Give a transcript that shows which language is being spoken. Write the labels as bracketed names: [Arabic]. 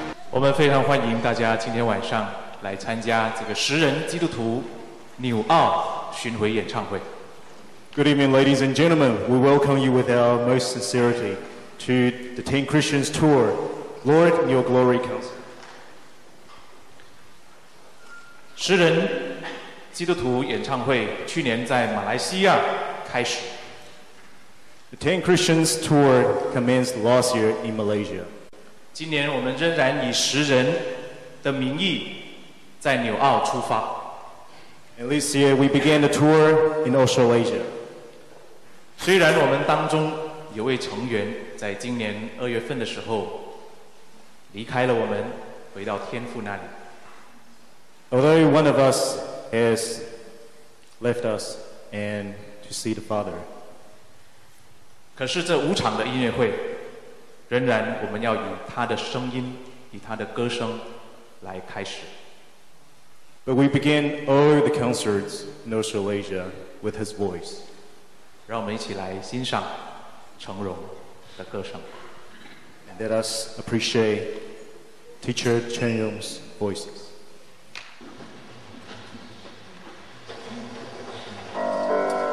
[Chinese] 我们非常欢迎大家今天晚上来参加这个十人基督徒纽澳巡回演唱会。 [English] Good evening, ladies and gentlemen. We welcome you with our most sincerity to the Ten Christians Tour. Lord, your glory comes. [Chinese] 十人基督徒演唱会去年在马来西亚开始。 [English] The Ten Christians Tour commenced last year in Malaysia. [Chinese] 今年我们仍然以十人的名义在纽澳出发。 [English] And this year we began the tour in Australasia. [Chinese] 虽然我们当中有位成员在今年二月份的时候离开了我们，回到天父那里。 [English] Although one of us has left us and to see the Father. [Chinese] 可是这五场的音乐会仍然我们要以他的声音，以他的歌声来开始。 [English] But we begin all the concerts in Australasia with his voice. [Chinese] 让我们一起来欣赏成荣的歌声。 [English] And let us appreciate Teacher Chen Rong's voices.